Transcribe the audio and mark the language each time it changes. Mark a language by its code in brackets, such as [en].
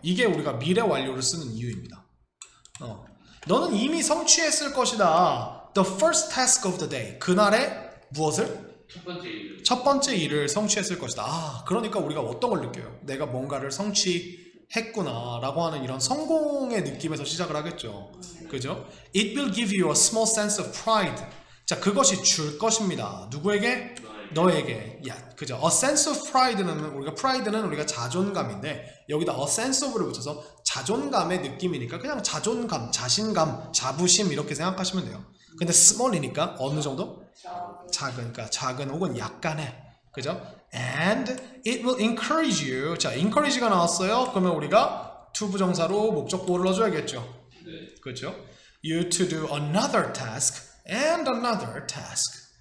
[ko] 이게 우리가 미래 완료를 쓰는 이유입니다. 너는 이미 성취했을 것이다. [en] The first task of the day. [ko] 그날의 무엇을? 첫 번째 일을. 첫 번째 일을 성취했을 것이다. 그러니까 우리가 어떤 걸 느껴요? 내가 뭔가를 성취했구나라고 하는 이런 성공의 느낌에서 시작을 하겠죠. 그죠? [en] It will give you a small sense of pride. [ko] 자, 그것이 줄 것입니다. 누구에게? 너에게. 야, 그죠? A sense of pride는 우리가 pride는 우리가 자존감인데 여기다 a sense of를 붙여서 자존감의 느낌이니까 그냥 자존감, 자신감, 자부심 이렇게 생각하시면 돼요. 근데 small이니까 어느 정도? 작으니까 작은 혹은 약간의, 그죠? [en] And it will encourage you. [ko] 자, encourage가 나왔어요. 그러면 우리가 to 부정사로 목적보를 넣어줘야겠죠. 그죠? [en] You to do another task and another task.